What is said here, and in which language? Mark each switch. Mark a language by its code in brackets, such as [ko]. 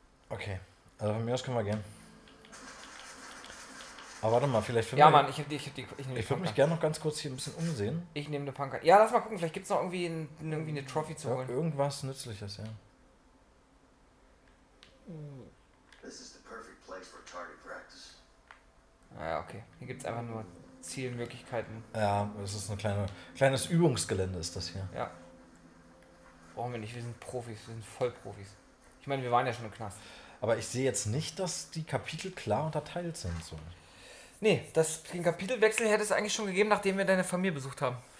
[de] Okay, also von mir aus können wir gehen. Aber warte mal, vielleicht finden wir... Ja, Mann, ich nehme die Ich würde mich gerne noch ganz kurz hier ein bisschen umsehen. Ich nehme eine Pumpgun. Ja, lass mal gucken, vielleicht gibt es noch irgendwie eine Trophy zu holen. Irgendwas Nützliches, ja. [en] This is the perfect place for target practice. [de] Ah, okay. Hier gibt es einfach nur Zielmöglichkeiten. Ja, es ist ein kleines Übungsgelände ist das hier. Ja. Brauchen wir nicht, wir sind Profis, wir sind Vollprofis. Ich meine, wir waren ja schon im Knast. Aber ich sehe jetzt nicht, dass die Kapitel klar unterteilt sind. So. Nee, den Kapitelwechsel hätte es eigentlich schon gegeben, nachdem wir deine Familie besucht haben.